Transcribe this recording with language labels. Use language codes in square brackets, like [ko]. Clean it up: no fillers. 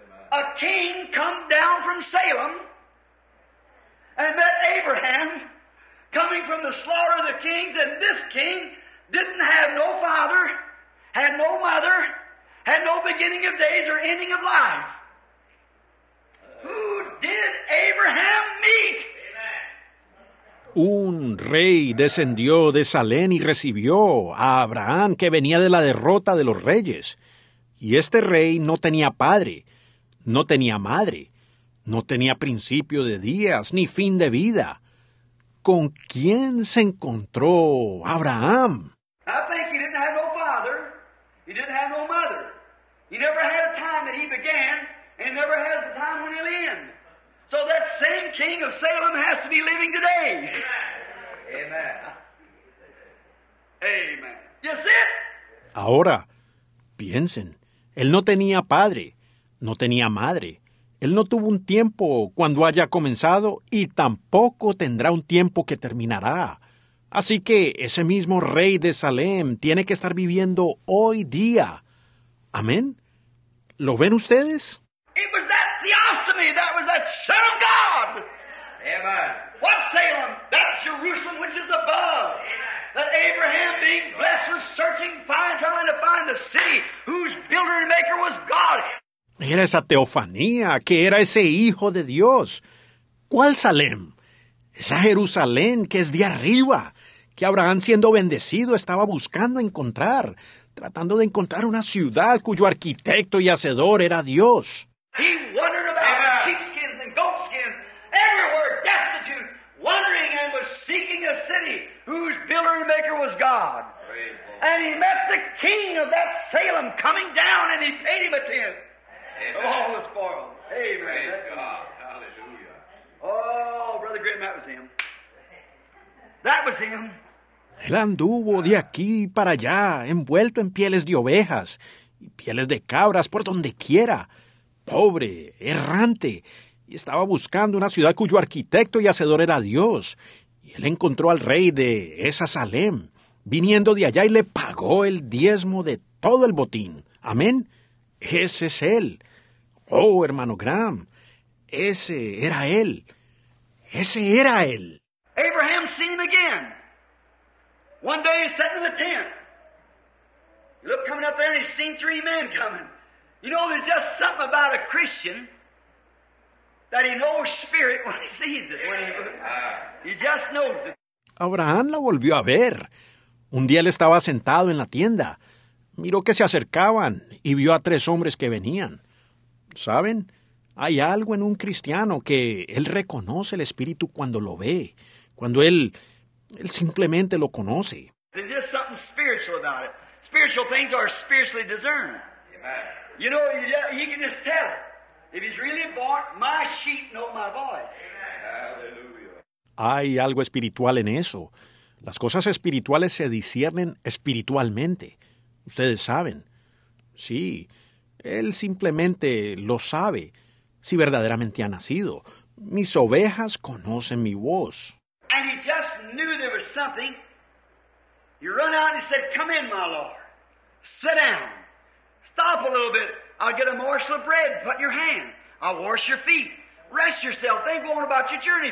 [en] A king come down from Salem. And met Abraham coming from the slaughter of the kings, and this king didn't have no father, had no mother, had no beginning of days or ending of life. Who did Abraham meet? [es] Un rey descendió de Salem y recibió a Abraham, que venía de la derrota de los reyes. Y este rey no tenía padre, no tenía madre. No tenía principio de días ni fin de vida. ¿Con quién se encontró Abraham? [en] I think he didn't have no father. He didn't have no mother. He never had a time that he began, and never has a time when he'll end. So that same king of Salem has to be living today. Amen. Amen. You see it? [es] Ahora, piensen. Él no tenía padre, no tenía madre. Él no tuvo un tiempo cuando haya comenzado y tampoco tendrá un tiempo que terminará. Así que ese mismo rey de Salem tiene que estar viviendo hoy día. ¿Amén? ¿Lo ven ustedes? [en] It was that theostomy, that was that Son of God. Amen. What Salem? That Jerusalem which is above. Amen. That Abraham being blessed was searching, trying to find the city whose builder and maker was God. [es] Era esa teofanía, que era ese hijo de Dios. ¿Cuál Salem? Esa Jerusalén que es de arriba, que Abraham siendo bendecido estaba buscando encontrar, tratando de encontrar una ciudad cuyo arquitecto y hacedor era Dios. [en] He wandered about in sheepskins and goatskins, everywhere destitute, wandering and was seeking a city whose builder and maker was God. And he met the king of that Salem coming down and he paid him a tenth. Amen. Of all the spoils. Amen. Praise God. Hallelujah. Oh, Brother Grimm, that was him. That was him. [es] Él anduvo de aquí para allá, envuelto en pieles de ovejas y pieles de cabras por donde quiera. Pobre, errante, y estaba buscando una ciudad cuyo arquitecto y hacedor era Dios. Y él encontró al rey de esa Salem, viniendo de allá y le pagó el diezmo de todo el botín. ¿Amén? Ese es él. Oh, hermano Graham, ese era él. Ese era él. [en] Abraham seen him again. One day he sat in the tent. He looked coming up there and he seen three men coming. You know, there's just something about a Christian that he knows spirit when he sees it. He just knows it. [es] Abraham la volvió a ver. Un día él estaba sentado en la tienda. Miró que se acercaban y vio a tres hombres que venían. ¿Saben? Hay algo en un cristiano que él reconoce el espíritu cuando lo ve. Cuando él simplemente lo conoce. [en] There's just something spiritual about it. Spiritual things are spiritually discerned. Amen. You know, he can just tell it. If he's really born, my sheep know my voice. Hallelujah. [es] Hay algo espiritual en eso. Las cosas espirituales se disciernen espiritualmente. Ustedes saben. Sí, él simplemente lo sabe. Si verdaderamente ha nacido. Mis ovejas conocen mi voz. [en] And he just knew there was something. He ran out and he said, come in, my Lord. Sit down. Stop a little bit. I'll get a morsel of bread. Put in your hand. I'll wash your feet. Rest yourself. Think on about your journey.